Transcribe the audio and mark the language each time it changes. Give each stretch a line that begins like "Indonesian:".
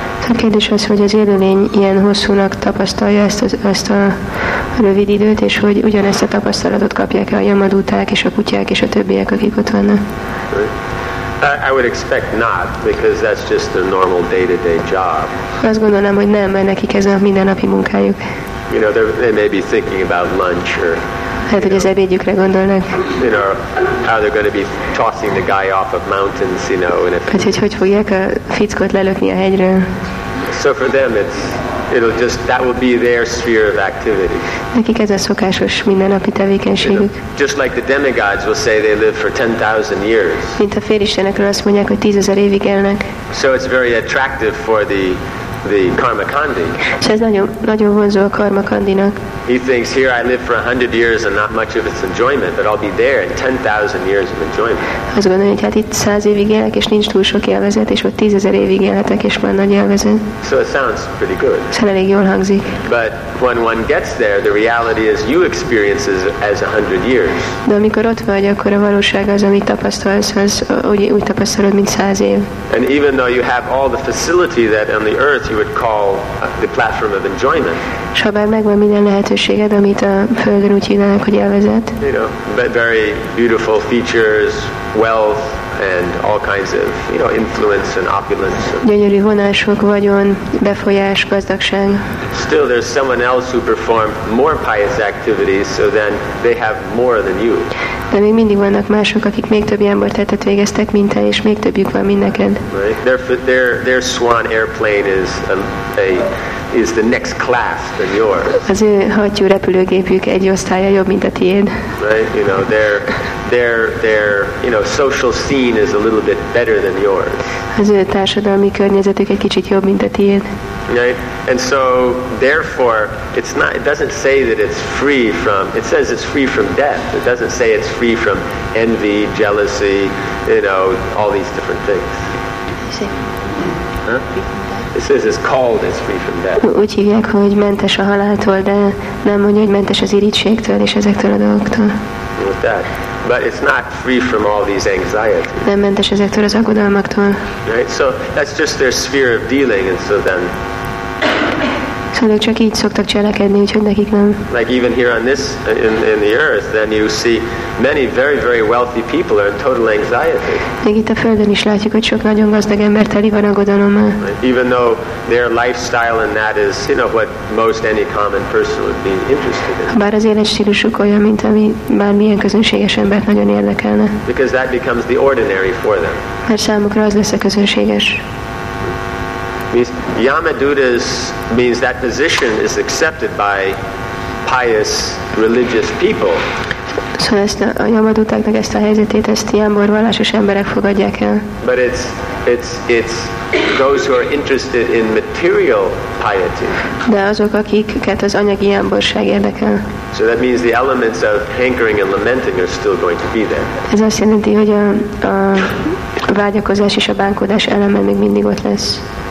Hungarian: A kérdés az, hogy az élőlény ilyen hosszúnak tapasztalja ezt a rövid időt, és hogy ugyanezt a tapasztalatot kapják-e a jamadúták és a kutyák és a többiek, akik ott vannak.
English: I would expect not, because that's just their normal day-to-day job.
Hungarian: Azt gondolom, hogy nem, mert nekik ez a mindennapi munkájuk.
English: You know, they may be thinking about lunch or.
Hungarian: Hát, hogy az ebédjükre gondolnak.
English: You know, how they're going to be tossing the guy off of mountains, you know, and if.
Hungarian: Hát, hogy fogják a fickót lelökni a hegyről.
English: So for them, it'll just that will be their sphere of activity.
Hungarian: Nekik ez a szokásos mindennapi tevékenységük.
English: You know, just like the demigods will say they live for 10,000 years.
Hungarian: Mint a félistenekről azt mondják, hogy 10,000 évig élnek.
English: So it's very attractive for the karmakandi.
Hungarian: És ez nagyon nagyon vonzó a karmakandinak.
English: He thinks, here I live for 100 years and not much of its enjoyment, but I'll be there in 10,000 years of enjoyment.
Hungarian: Azt gondolom, hogy hát itt 100 évig élek, és nincs túl sok élvezet, és ott 10,000 évig élhetek, és már nagy élvezet.
English: So it sounds pretty good.
Hungarian: Szóval elég jól hangzik.
English: But when one gets there, the reality is you experience as 100 years.
Hungarian: De amikor ott vagy, akkor a valóság az, amit tapasztalsz, az úgy tapasztalod, mint 100 év.
English: And even though you have all the facility that on the earth you would call the platform of enjoyment.
Hungarian: S ha bár megvan minden lehet, amit a földön úgy hívnának, hogy élvezet.
English: You know, very beautiful features, wealth, and all kinds of, you know, influence and opulence.
Hungarian: Gyönyörű vonások, vagyon, befolyás, gazdagság.
English: Still, there's someone else who performed more pious activities, so then they have more than you.
Hungarian: De még mindig vannak mások, akik még több embertetet végeztek, mint te, és még többjük van, mint neked.
English: Right? Their swan airplane is is the next class than yours.
Hungarian: Az ő hattyú repülőgépük egy osztálya jobb, mint a tiéd.
English: Right, you know, their you know, social scene is a little bit better than yours.
Hungarian: Az ő társadalmi környezetük egy kicsit jobb, mint a tiéd.
English: Right, and so therefore it's not, it doesn't say that it's free from, it says it's free from death. It doesn't say it's free from envy, jealousy, you know, all these different things. It says it's called as free from death.
Hungarian: Úgy hívják, hogy mentes a haláltól, de nem mondja, hogy mentes az irigységtől és ezektől a dolgoktól.
English: But it's not free from all these anxieties.
Hungarian: Nem mentes ezektől az aggodalmaktól.
English: Right? So that's just their sphere of dealing, and so then.
Hungarian: Szóval ők csak így szoktak cselekedni, úgyhogy nekik nem.
English: Like even here on this in the earth, then you see many very very wealthy people are in total anxiety.
Hungarian: Még itt a földön is látjuk, hogy sok nagyon gazdag ember teli van aggodalommal.
English: Even though their lifestyle and that is, you know, what most any common person would be interested in.
Hungarian: Bár az életstílusuk olyan, mint ami bármilyen közönséges embert nagyon érdekelne.
English: Because that becomes the ordinary for them.
Hungarian: Mert számukra az lesz a közönséges.
English: Means Yamadutas means that position is accepted by pious religious people.
Hungarian: So ezt a Yamadutáknak ezt a helyzetét, ezt ilyenbor vallásos emberek fogadják el.
English: But it's those who are interested in material piety.
Hungarian: De azok, akiket az anyagi ilyenborság érdekel.
English: So that means the elements of hankering and lamenting are still going to be there.
Hungarian: Ez azt jelenti, hogy a vágyakozás és a bánkódás eleme még mindig ott lesz.